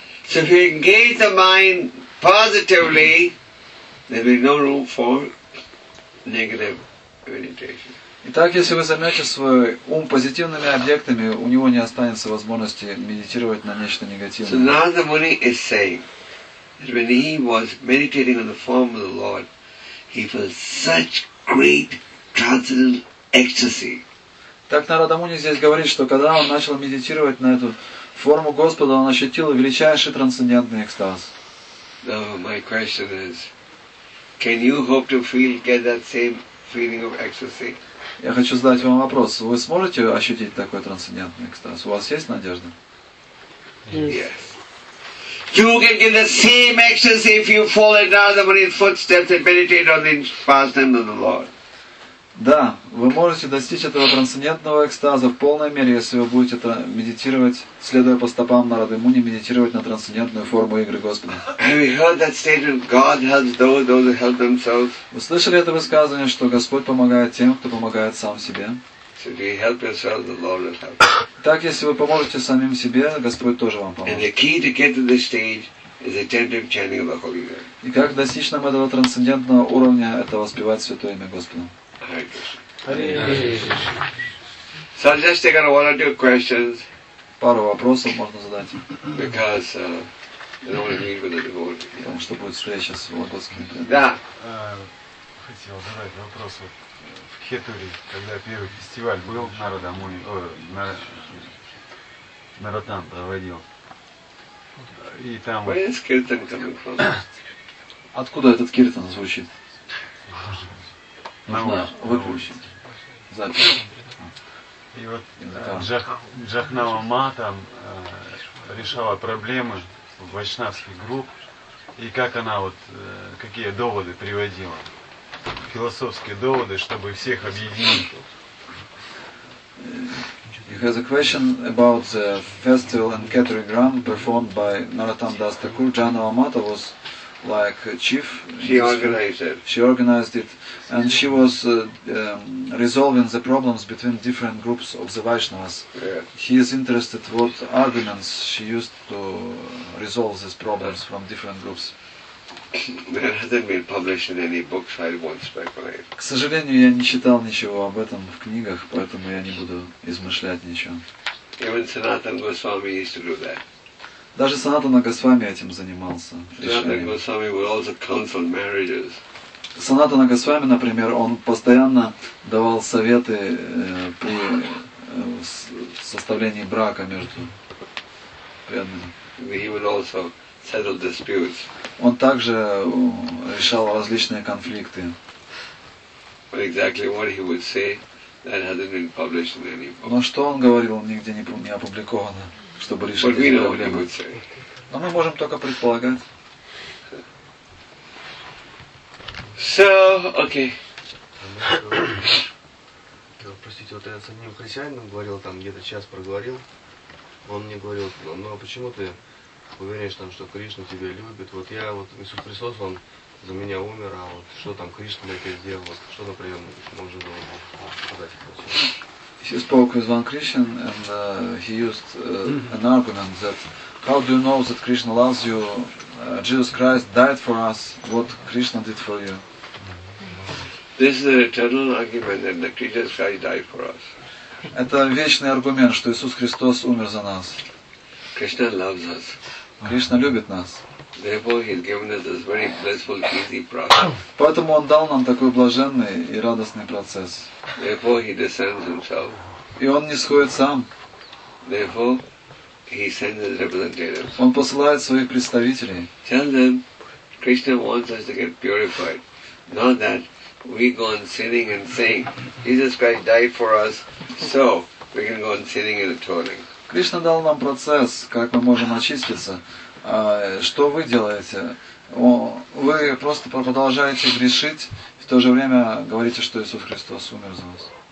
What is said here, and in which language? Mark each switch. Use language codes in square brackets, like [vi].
[en] So if you engage the mind positively, there will be no room for negative meditation. [ru] Итак, если вы займете свой ум позитивными объектами, у него не останется возможности медитировать на нечто негативное. [en] So Narada Muni is saying, when he was meditating on the form of the Lord, he felt such great transcendental ecstasy. [ru] Так Нарада Муни здесь говорит, что когда он начал медитировать на эту форму Господа, он ощутил величайший трансцендентный экстаз. [en] Now my question is, can you hope to feel get that same feeling of ecstasy? [ru] Я хочу задать вам вопрос. Вы сможете ощутить такой трансцендентный экстаз? У вас есть надежда? [en] Yes. You can get the same ecstasy if you follow Narada Muni's footsteps and meditate on the pastimes of the Lord. [ru] Да, вы можете достичь этого трансцендентного экстаза в полной мере, если вы будете медитировать, следуя по стопам Нарады Муни, медитировать на трансцендентную форму игры Господа. [en] Have you heard that statement, God helps those who help themselves? [ru] Вы слышали это высказывание, что Господь помогает тем, кто помогает сам себе? [en] So if you help yourself, the Lord will help. [ru] Так, если вы поможете самим себе, Господь тоже вам поможет. [en] And the key to get to this stage is attentive chanting of the Holy Name. [ru] И как достичь нам этого трансцендентного уровня, это воспевать Святое Имя Господа. [en] So I'll just take on one or two questions. [ru] Пару вопросов можно задать. [en] Because I don't want to meet with the devotee. [ru] Потому что будет встреча с Вологодскими. Да. Хотел задать вопрос вот в Хетуре, когда первый фестиваль был Нарада Муни, Наратан проводил. И там. [en] Where is Kirtan coming from? [ru] Откуда этот Киртан звучит? Нужно выключить запись. И вот Джахнава Ма там решала проблемы вайшнавских групп, и как она вот, какие доводы приводила, философские доводы, чтобы всех объединить. [en] You have a question about the festival and catering run performed by Narottam Das Thakur. Джахнава Ма was like chief. She organized it. And she was resolving the problems between different groups of the Vaishnavas. Yeah. He is interested what arguments she used to resolve these problems from different groups. It hasn't been published in any books, I won't speculate. [ru] К сожалению, я не читал ничего об этом в книгах, поэтому я не буду измышлять ничего. [en] Even Sanatana Goswami used to do that. [ru] Даже Санатана Госвами этим занимался. [en] Санатана Госвами would also counsel marriages. [ru] Санатана Госвами, например, он постоянно давал советы при составлении брака между преданными. [en] He would also settle disputes. [ru] Он также решал различные конфликты. [en] But exactly what he would say, that hasn't been published in any book. [ru] Но что он говорил, нигде не опубликовано. Чтобы решить эти проблемы. Но мы можем только предполагать. [en] So, okay. [ru] Хотел спросить, вот я с одним христианином говорил, там где-то час проговорил. Он мне говорил, ну а почему ты уверен, что, там, что Кришна тебя любит? Вот я, вот Иисус Христос, он за меня умер, а вот что там Кришна мне опять сделал? Вот, что, например, можно было бы сказать? [en] He spoke with one Christian and he used an argument that how do you know that Krishna loves you? Jesus Christ died for us. What Krishna did for you? This is an eternal argument that Jesus Christ died for us. [ru] Это вечный аргумент, что Иисус Христос умер за нас. [en] Krishna loves us. [ru] Кришна любит нас. [en] Therefore, he's given us this very blissful, easy process. [ru] Поэтому он дал нам такой блаженный и радостный процесс. [en] Therefore, he descends himself. [ru] И он нисходит сам. [en] Therefore, he sends his representatives. [ru] Он посылает своих представителей. [en] Tell them, Krishna wants us to get purified. Not that we go on sinning and saying, Jesus Christ died for us, so we can go on sinning and atoning. [ru] Кришна дал нам процесс, как мы можем очиститься. А что вы делаете? Вы просто продолжаете грешить, в то же время говорите, что Иисус Христос умер за вас.